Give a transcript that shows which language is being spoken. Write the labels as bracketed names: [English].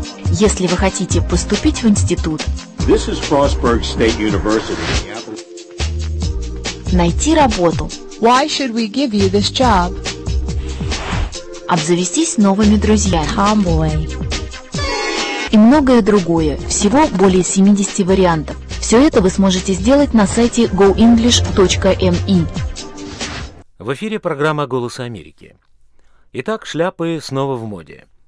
[Russian] Если вы хотите поступить в институт, [English] This is Frostburg State University. [Russian] Найти работу. [English] Why should we give you this job? [Russian] Обзавестись новыми друзьями. [English] Humbly. [Russian] И многое другое. Всего более 70 вариантов. Все это вы сможете сделать на сайте goenglish.me. В эфире программа «Голос Америки». Итак, шляпы снова в моде.